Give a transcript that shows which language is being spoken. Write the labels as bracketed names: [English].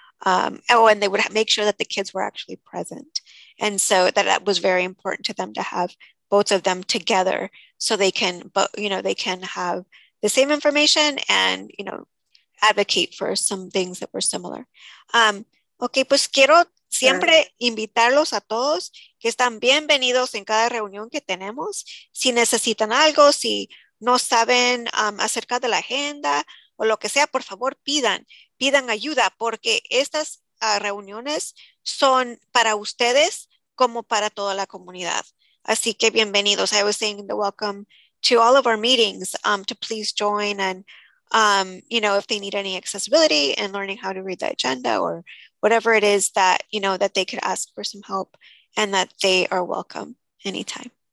[English] And they would make sure that the kids were actually present. And so that was very important to them, to have both of them together so they can, you know, they can have the same information and, you know, advocate for some things that were similar. [Spanish] Okay, pues quiero siempre invitarlos a todos, que están bienvenidos en cada reunión que tenemos. Si necesitan algo, si no saben acerca de la agenda o lo que sea, por favor pidan ayuda, porque estas reuniones son para ustedes como para toda la comunidad. Así que bienvenidos. [English] I was saying the welcome to all of our meetings, to please join and, you know, if they need any accessibility and learning how to read the agenda or whatever it is that, you know, that they could ask for some help, and that they are welcome anytime.